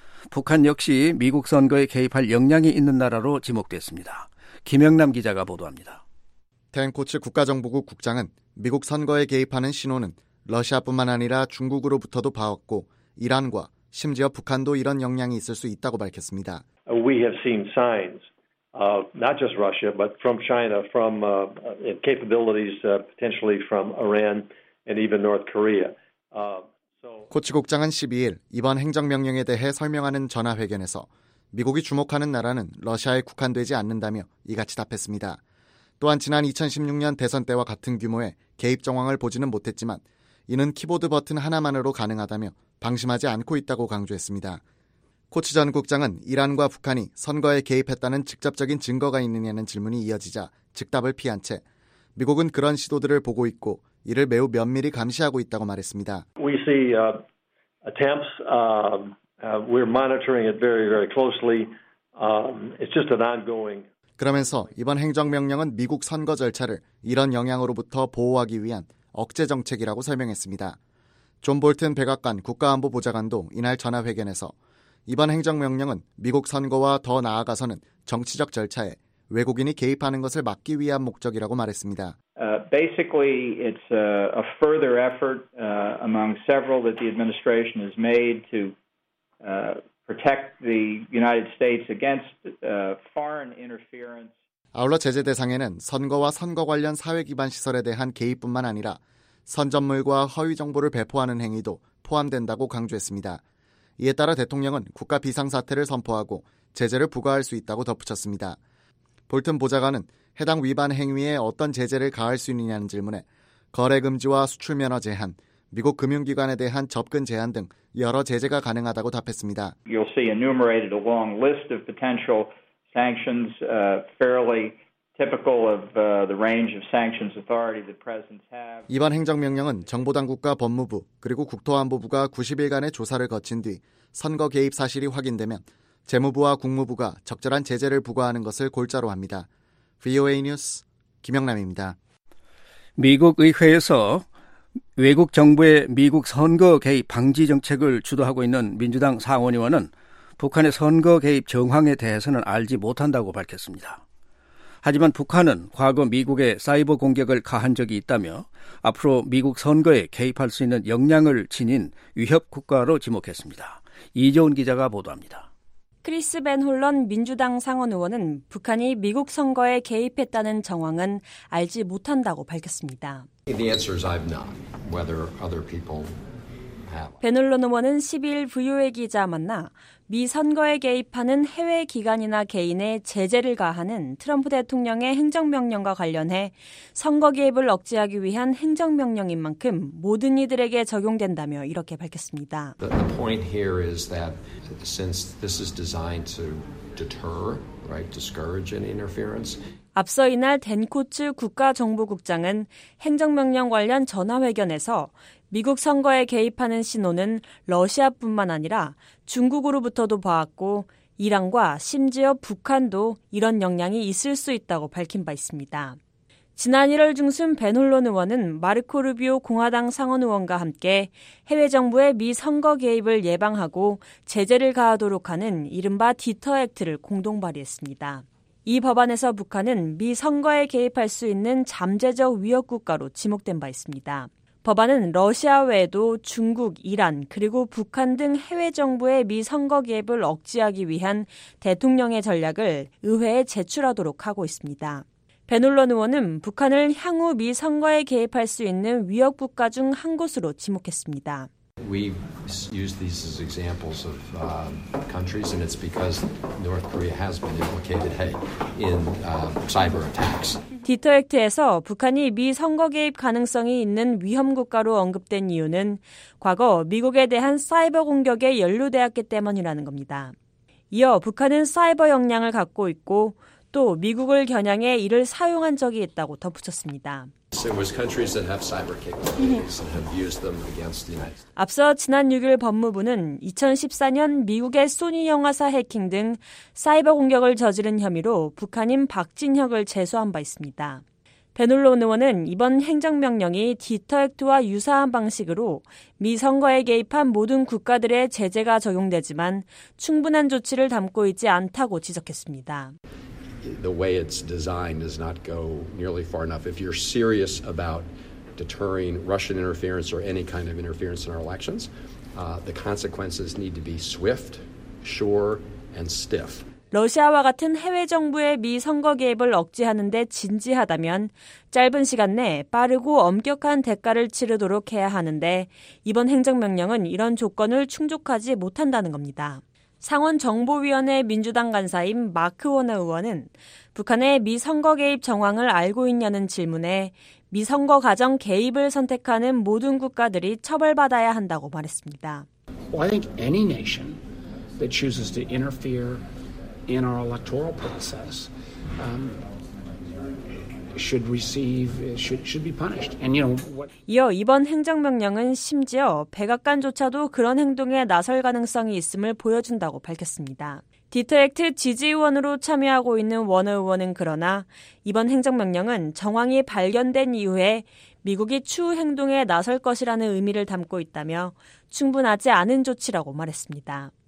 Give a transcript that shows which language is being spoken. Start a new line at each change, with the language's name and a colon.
Korean: 북한 역시 미국 선거에 개입할 역량이 있는 나라로 지목됐습니다. 김영남 기자가 보도합니다. 댄 코츠 국가정보국 국장은 미국 선거에 개입하는 신호는 러시아뿐만 아니라 중국으로부터도 봐왔고 이란과 심지어 북한도 이런 영향이 있을 수 있다고 밝혔습니다.
English: We have seen signs of not just Russia but from China from capabilities potentially from Iran and even North Korea.
Korean: 코츠 국장은 12일 이번 행정명령에 대해 설명하는 전화회견에서 미국이 주목하는 나라는 러시아에 국한되지 않는다며 이같이 답했습니다. 또한 지난 2016년 대선 때와 같은 규모의 개입 정황을 보지는 못했지만 이는 키보드 버튼 하나만으로 가능하다며 방심하지 않고 있다고 강조했습니다. 코츠 전 국장은 이란과 북한이 선거에 개입했다는 직접적인 증거가 있느냐는 질문이 이어지자 즉답을 피한 채 미국은 그런 시도들을 보고 있고 이를 매우 면밀히 감시하고 있다고 말했습니다.
English: We see attempts. We're monitoring it very, very closely. It's just an ongoing.
Korean: 그러면서 이번 행정명령은 미국 선거 절차를 이런 영향으로부터 보호하기 위한 억제 정책이라고 설명했습니다. 존 볼튼 백악관 국가안보보좌관도 이날 전화회견에서 이번 행정명령은 미국 선거와 더 나아가서는 정치적 절차에 외국인이 개입하는 것을 막기 위한 목적이라고 말했습니다.
English: Basically, it's a further effort among several that the administration has made to protect the United States against foreign interference.
Korean: 아울러 제재 대상에는 선거와 선거 관련 사회 기반 시설에 대한 개입뿐만 아니라 선전물과 허위 정보를 배포하는 행위도 포함된다고 강조했습니다. 이에 따라 대통령은 국가 비상사태를 선포하고 제재를 부과할 수 있다고 덧붙였습니다. 볼튼 보좌관은 해당 위반 행위에 어떤 제재를 가할 수 있느냐는 질문에 거래 금지와 수출 면허 제한, 미국 금융기관에 대한 접근 제한 등 여러 제재가 가능하다고 답했습니다.
English: You'll see enumerated a long list of potential sanctions, fairly typical of the range of sanctions authority the president has.
Korean: 이번 행정명령은 정보당국과 법무부 그리고 국토안보부가 90일간의 조사를 거친 뒤 선거 개입 사실이 확인되면 재무부와 국무부가 적절한 제재를 부과하는 것을 골자로 합니다. VOA 뉴스 김영남입니다. 미국 의회에서 외국 정부의 미국 선거 개입 방지 정책을 주도하고 있는 민주당 상원 의원은 북한의 선거 개입 정황에 대해서는 알지 못한다고 밝혔습니다. 하지만 북한은 과거 미국에 사이버 공격을 가한 적이 있다며 앞으로 미국 선거에 개입할 수 있는 역량을 지닌 위협 국가로 지목했습니다. 이재훈 기자가 보도합니다. 크리스 벤 홀런 민주당 상원 의원은 북한이 미국 선거에 개입했다는 정황은 알지 못한다고 밝혔습니다.
English: The answer is I've not, whether other people have.
Korean: 벤 홀런 의원은 12일 VOA 기자 만나 미 선거에 개입하는 해외 기관이나 개인의 제재를 가하는 트럼프 대통령의 행정명령과 관련해 선거 개입을 억제하기 위한 행정명령인 만큼 모든 이들에게 적용된다며 이렇게 밝혔습니다.
English: The point here is that since this is designed to deter, right, discourage any interference.
Korean: 앞서 이날 댄 코츠 국가정보국장은 행정명령 관련 전화회견에서 미국 선거에 개입하는 신호는 러시아뿐만 아니라 중국으로부터도 봐왔고 이란과 심지어 북한도 이런 영향이 있을 수 있다고 밝힌 바 있습니다. 지난 1월 중순 벤 홀런 의원은 마르코 루비오 공화당 상원 의원과 함께 해외 정부의 미 선거 개입을 예방하고 제재를 가하도록 하는 이른바 디터 액트를 공동 발의했습니다. 이 법안에서 북한은 미 선거에 개입할 수 있는 잠재적 위협 국가로 지목된 바 있습니다. 법안은 러시아 외에도 중국, 이란, 그리고 북한 등 해외 정부의 미 선거 개입을 억제하기 위한 대통령의 전략을 의회에 제출하도록 하고 있습니다. 베놀런 의원은 북한을 향후 미 선거에 개입할 수 있는 위협 국가 중 한 곳으로 지목했습니다.
English: We use these as examples of countries, and it's because North Korea has been implicated in cyber attacks.
Korean: 디터 액트에서 북한이 미 선거 개입 가능성이 있는 위험 국가로 언급된 이유는 과거 미국에 대한 사이버 공격에 연루되었기 때문이라는 겁니다. 이어 북한은 사이버 역량을 갖고 있고 또 미국을 겨냥해 이를 사용한 적이 있다고 덧붙였습니다.
English: There was countries that have cyber capabilities and have used them against the United States.
Korean: 앞서 지난 6일 법무부는 2014년 미국의 소니 영화사 해킹 등 사이버 공격을 저지른 혐의로 북한인 박진혁을 제소한 바 있습니다. 베놀론 의원은 이번 행정명령이 디터 액트와 유사한 방식으로 미 선거에 개입한 모든 국가들의 제재가 적용되지만 충분한 조치를 담고 있지 않다고 지적했습니다.
English: The way it's designed does not go nearly far enough. If you're serious about deterring Russian interference or any kind of interference in our elections, the consequences need to be swift, sure, and stiff.
Korean: 러시아와 같은 해외 정부의 미 선거 개입을 억제하는 데 진지하다면 짧은 시간 내 빠르고 엄격한 대가를 치르도록 해야 하는데 이번 행정명령은 이런 조건을 충족하지 못한다는 겁니다. 상원정보위원회 민주당 간사인 마크 워너 의원은 북한의 미 선거 개입 정황을 알고 있냐는 질문에 미 선거 과정 개입을 선택하는 모든 국가들이 처벌받아야 한다고 말했습니다.
English: Well, I think any nation that chooses to interfere in our electoral process should be punished. And you know, what...
Korean: 이어 이번 행정명령은 심지어 백악관조차도 그런 행동에 나설 가능성이 있음을 보여준다고 밝혔습니다. 디터 액트 지지 의원으로 참여하고 있는 워너 의원은 그러나 이번 행정명령은 정황이 발견된 이후에 미국이 추후 행동에 나설 것이라는 의미를 담고 있다며 충분하지 않은 조치라고 말했습니다.